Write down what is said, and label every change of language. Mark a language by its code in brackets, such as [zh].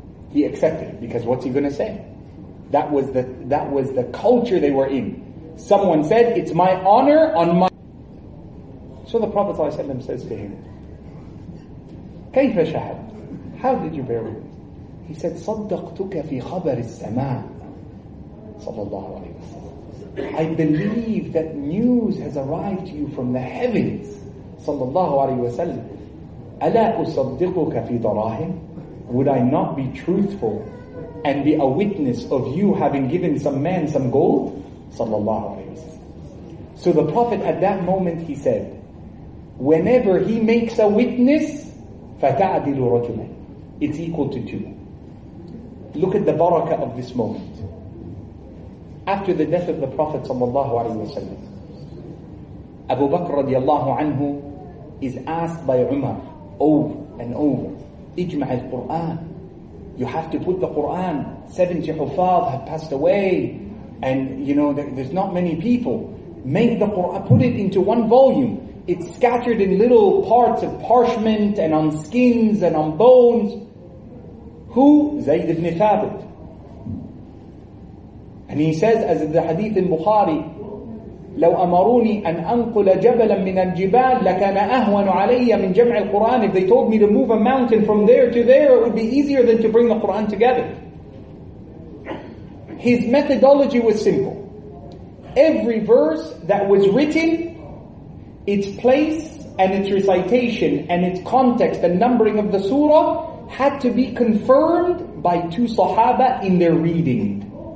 [en] He accepted, because what's he going to say? That was the culture they were in. Someone said, it's my honor on my... So the Prophet ﷺ says to him, [ar] كَيْفَ شَهَدْ. [en] How did you bear witness? He said, [ar] صَدَّقْتُكَ فِي خَبَرِ السَّمَاءِ صلى الله عليه وسلم. [en] I believe that news has arrived to you from the heavens [ar] صلى الله عليه وسلم. أَلَا أُصَدِّقُكَ فِي دَرَاهِمْ. [en] Would I not be truthful and be a witness of you having given some man some gold? Sallallahu alayhi wa sallam. So the Prophet at that moment, he said, whenever he makes a witness, [ar] فَتَعْدِلُ رَجُلًا. [en] It's equal to two. Look at the barakah of this moment. After the death of the Prophet sallallahu alayhi wa sallam, Abu Bakr radiallahu anhu is asked by Umar over and over, [ar] اجْمَعِ الْقُرْآنِ. [en] You have to put the Qur'an. 70 Hufaz have passed away. And you know, there's not many people. Make the Qur'an, put it into one volume. It's scattered in little parts of parchment and on skins and on bones. Who? Zayd ibn Thabit. And he says, as in the hadith in Bukhari, [ar] لو أمروني أن أنقل جبلا من الجبال لكان أهون علي من جمع القرآن. [en] If they told me to move a mountain from there to there, it would be easier than to bring the Qur'an together. His methodology was simple. Every verse that was written, its place and its recitation and its context and numbering of the surah had to be confirmed by two sahaba in their reading.